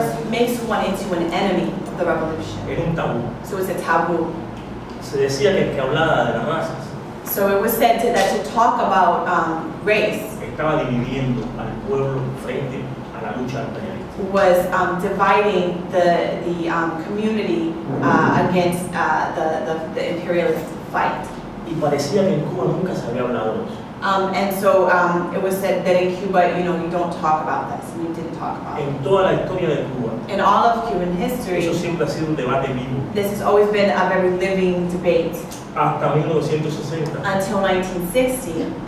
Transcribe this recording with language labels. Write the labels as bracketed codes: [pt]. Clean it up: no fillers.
[en] Makes one into an enemy of the revolution. [es] Era un tabú. [en] So it's a taboo. [es] Se decía que el que hablaba de las masas. [en] So it was said that to talk about race. [es] Estaba dividiendo al pueblo frente a la lucha imperialista. [en] Was dividing the community against the imperialist fight. [es] Y parecía que en Cuba nunca se había hablado de eso. [en] And so it was said that in Cuba, you know, we don't talk about this. We didn't talk about [es] en toda la historia de Cuba, [en] in all of Cuban history, [es] eso siempre ha sido un debate vivo. [en] This has always been a very living debate. [es] Hasta 1960. [en] Until 1960.